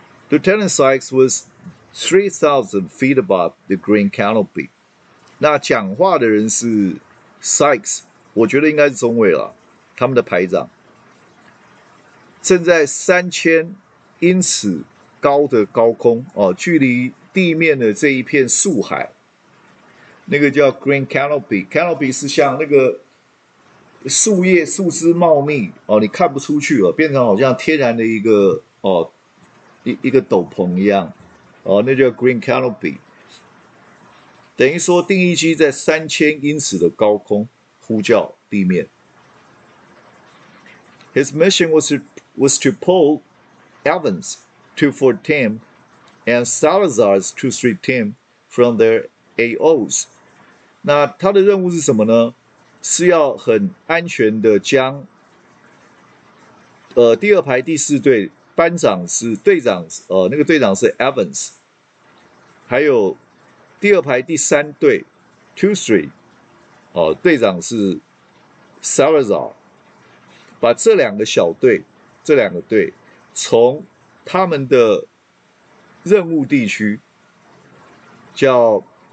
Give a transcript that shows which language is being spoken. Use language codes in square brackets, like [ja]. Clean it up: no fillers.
[en] Lieutenant Sykes was 3,000 feet above the green canopy。 [zh] 那讲话的人是 Sykes， 我觉得应该是中尉了，他们的排长，正在3000英尺高的高空哦，距离地面的这一片树海。那个叫 Green Canopy 是像那个树叶树枝茂密哦，你看不出去了，变成好像天然的一个哦一个斗篷一样哦，那叫 Green Canopy， 等于说定翼机在3000英尺的高空呼叫地面。 [en] His mission was to pull Evans 24 team and Salazar's 23 team from their AOs。 [zh] 那他的任务是什么呢？是要很安全的将，第二排第四队班长是队长，那个队长是 Evans， 还有第二排第三队 23， 队长是 Salazar， 把这两个小队，这两个队从他们的任务地区叫。